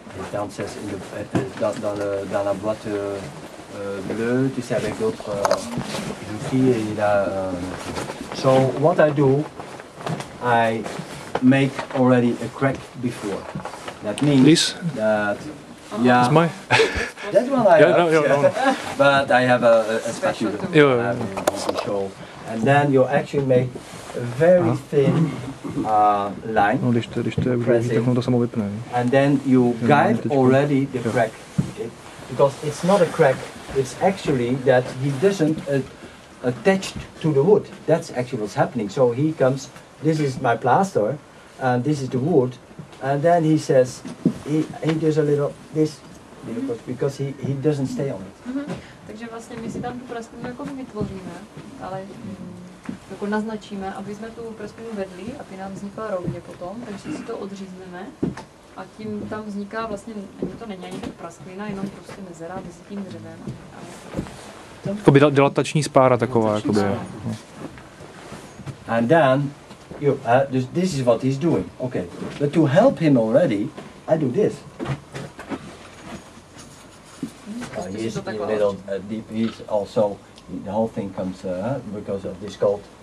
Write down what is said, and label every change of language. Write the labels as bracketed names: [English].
[English] Downstairs in the [French] dans la boîte bleue, tu sais avec d'autres outils. [English] So what I do, I make already a crack before. That means this? That yeah. Is my that one I yeah, have. No. But I have a spatula. Yeah. And then you actually make a very thin line. [Czech] No, když to je pressing, vidí, tak ono to samo vypne. [English] And then you guide already the crack. Because it's not a crack, it's actually that he doesn't attach to the wood. That's actually what's happening. So he comes, this is my plaster, and this is the wood. And then he says, he does a little this, because he doesn't stay on it. [Czech] Takže vlastně my si tam tu prasklinu jako vytvoříme, ale jako naznačíme, aby jsme tu prasklinu vedli, aby nám vznikla rovně potom, takže si to odřízneme a tím tam vzniká vlastně, ani to není ani ta prasklina, jenom prostě mezera mezi tím dřevem. Jakoby dilatační spára taková, jakoby. [English] And then, this is what he's doing. Okay, but to help him already, I do this. He's a little deep. He's also the whole thing comes because of this cold.